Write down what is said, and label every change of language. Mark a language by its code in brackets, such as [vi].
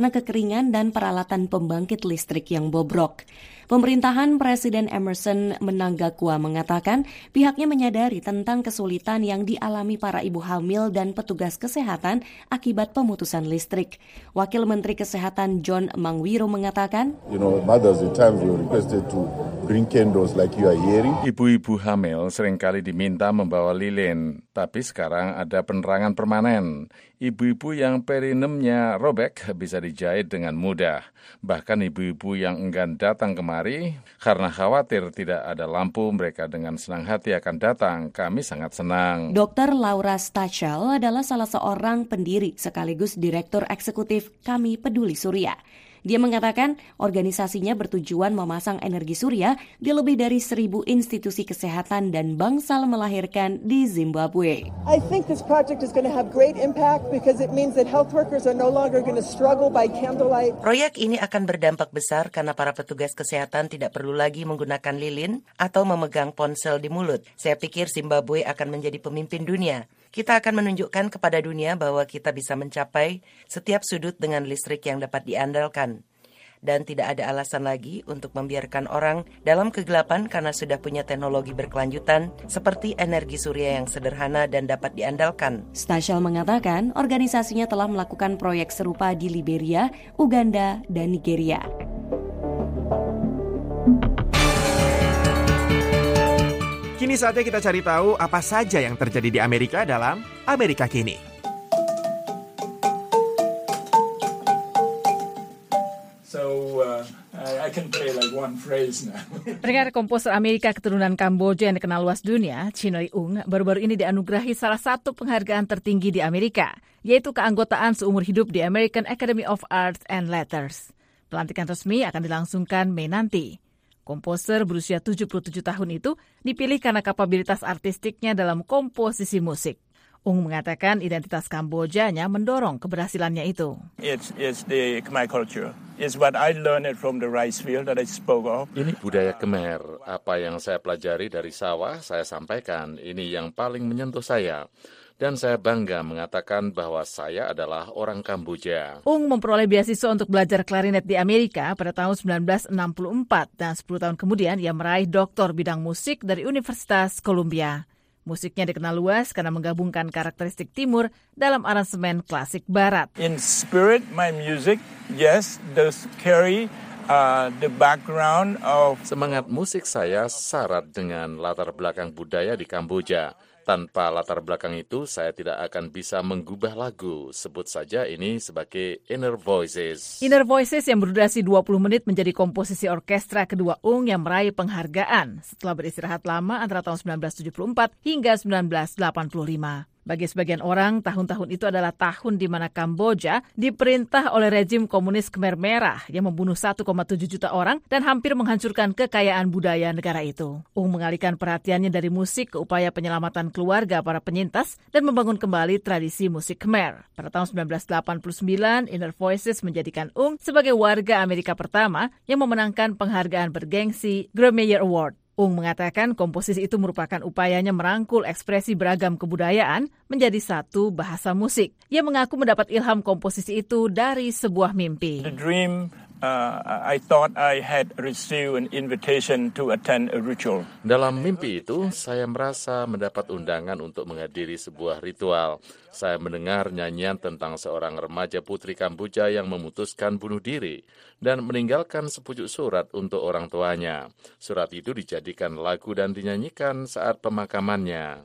[id] karena kekeringan dan peralatan pembangkit listrik yang bobrok. Pemerintahan Presiden Emmerson Mnangagwa mengatakan pihaknya menyadari tentang kesulitan yang dialami para ibu hamil dan petugas kesehatan akibat pemutusan listrik. Wakil Menteri Kesehatan John Mangwiro mengatakan, [en] you know, mothers at times were requested to bring candles like you are hearing. [id] Ibu-ibu hamil seringkali diminta membawa lilin, tapi sekarang ada penerangan permanen. Ibu-ibu yang perineumnya robek bisa dijahit dengan mudah. Bahkan ibu-ibu yang enggan datang kemari karena khawatir tidak ada lampu, mereka dengan senang hati akan datang. Kami sangat senang. Dr. Laura Stachel adalah salah seorang pendiri sekaligus direktur eksekutif Kami Peduli Surya. Dia mengatakan organisasinya bertujuan memasang energi surya di lebih dari 1,000 institusi kesehatan dan bangsal melahirkan di Zimbabwe. [en] I think this project is going to have great impact because it means that health workers are no longer going to struggle by candlelight. [id] Proyek ini akan berdampak besar karena para petugas kesehatan tidak perlu lagi menggunakan lilin atau memegang ponsel di mulut. Saya pikir Zimbabwe akan menjadi pemimpin dunia. Kita akan menunjukkan kepada dunia bahwa kita bisa mencapai setiap sudut dengan listrik yang dapat diandalkan. Dan tidak ada alasan lagi untuk membiarkan orang dalam kegelapan karena sudah punya teknologi berkelanjutan seperti energi surya yang sederhana dan dapat diandalkan. Stachel mengatakan organisasinya telah melakukan proyek serupa di Liberia, Uganda, dan Nigeria. Kini saatnya kita cari tahu apa saja yang terjadi di Amerika dalam Amerika Kini. [en] I can play like one phrase now. [id] Pendengar komposer Amerika keturunan Kamboja yang dikenal luas dunia, Chinoy Ung, baru-baru ini dianugerahi salah satu penghargaan tertinggi di Amerika, yaitu keanggotaan seumur hidup di American Academy of Arts and Letters. Pelantikan resmi akan dilangsungkan Mei nanti. Komposer berusia 77 tahun itu dipilih karena kapabilitas artistiknya dalam komposisi musik. Ung mengatakan identitas Kambojanya mendorong keberhasilannya itu. [en] It's the Khmer culture. It's what I learned from the rice field that I spoke of. [id] Ini budaya Khmer. Apa yang saya pelajari dari sawah, saya sampaikan. Ini yang paling menyentuh saya. Dan saya bangga mengatakan bahwa saya adalah orang Kamboja. Ung memperoleh beasiswa untuk belajar klarinet di Amerika pada tahun 1964 dan 10 tahun kemudian ia meraih doktor bidang musik dari Universitas Columbia. Musiknya dikenal luas karena menggabungkan karakteristik timur dalam aransemen klasik barat. [en] In spirit my music, yes, does carry the background of... [id] Semangat musik saya syarat dengan latar belakang budaya di Kamboja. Tanpa latar belakang itu, saya tidak akan bisa menggubah lagu. Sebut saja ini sebagai Inner Voices. Inner Voices yang berdurasi 20 menit menjadi komposisi orkestra kedua Ung yang meraih penghargaan setelah beristirahat lama antara tahun 1974 hingga 1985. Bagi sebagian orang, tahun-tahun itu adalah tahun di mana Kamboja diperintah oleh rezim komunis Khmer Merah yang membunuh 1,7 juta orang dan hampir menghancurkan kekayaan budaya negara itu. Ung mengalihkan perhatiannya dari musik ke upaya penyelamatan keluarga para penyintas dan membangun kembali tradisi musik Khmer. Pada tahun 1989, Inner Voices menjadikan Ung sebagai warga Amerika pertama yang memenangkan penghargaan bergengsi Grammy Award. Ung mengatakan komposisi itu merupakan upayanya merangkul ekspresi beragam kebudayaan menjadi satu bahasa musik. Ia mengaku mendapat ilham komposisi itu dari sebuah mimpi. [en] The dream, I thought I had received an invitation to attend a ritual. [id] Dalam mimpi itu, saya merasa mendapat undangan untuk menghadiri sebuah ritual. Saya mendengar nyanyian tentang seorang remaja putri Kamboja yang memutuskan bunuh diri dan meninggalkan sepucuk surat untuk orang tuanya. Surat itu dijadikan lagu dan dinyanyikan saat pemakamannya.